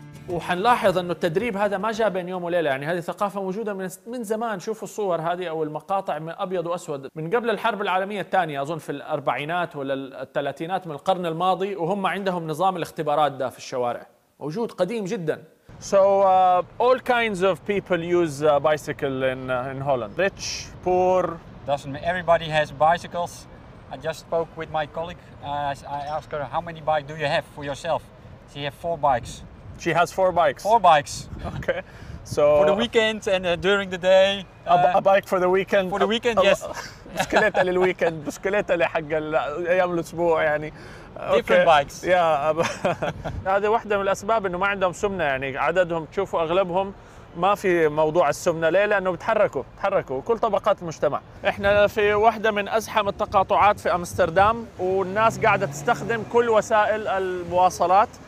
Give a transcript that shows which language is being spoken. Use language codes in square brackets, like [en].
[ar] وحنلاحظ أنه التدريب هذا ما جاء بين يوم وليلة، يعني هذه ثقافة موجودة من زمان. شوفوا الصور هذه أو المقاطع من أبيض وأسود من قبل الحرب العالمية الثانية، أظن في الأربعينات ولا الثلاثينات من القرن الماضي، وهم عندهم نظام الاختبارات ده في الشوارع موجود قديم جدا. [en] So all kinds of people use a bicycle in Holland. Rich, poor, doesn't mean everybody has bicycles. I just spoke with my colleague. I asked her how many bike do you have for yourself. She have 4 bikes. She has 4 bikes. 4 bikes. Okay. So for the weekend and during the day. A bike for the weekend. For the weekend, yes. [ar] بسكليتة للويكند، بسكليتة لحق أيام الأسبوع يعني. [en] Different bikes. Yeah. [ar] هذه واحدة من الأسباب إنه ما عندهم سمنة، يعني عددهم تشوفوا أغلبهم ما في موضوع السمنة. ليه؟ لأنه بتحركوا كل طبقات المجتمع. إحنا في واحدة من أزحم التقاطعات في أمستردام، والناس قاعدة تستخدم كل وسائل المواصلات.